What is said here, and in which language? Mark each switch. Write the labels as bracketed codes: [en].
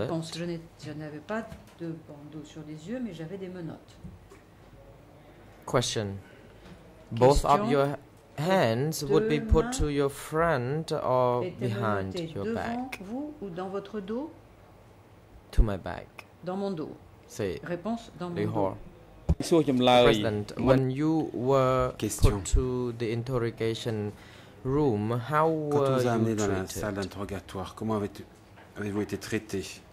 [fr] Réponse, je n'avais pas de bandeau sur les yeux, mais j'avais des menottes. Question. [en] Both of your hands would be put to your front or behind your back? [fr] Devant vous ou dans votre dos? [en] To my back. [fr] Dans mon dos. Si. Réponse, dans mon dos. [en] President, when you were put to the interrogation room, how were you treated? [fr] Quand on vous a amené dans la salle d'interrogatoire, comment avez-vous été traité?